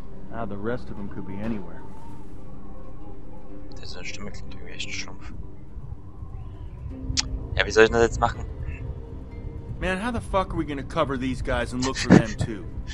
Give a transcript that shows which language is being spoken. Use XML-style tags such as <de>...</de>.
<en>Now the rest of them could be anywhere.</en> <de>Diese Stimme klingt irgendwie echt schrumpf. Ja, wie soll ich das jetzt machen?</de> <en>Man, how the fuck are we gonna cover these guys and look for them, too?</en>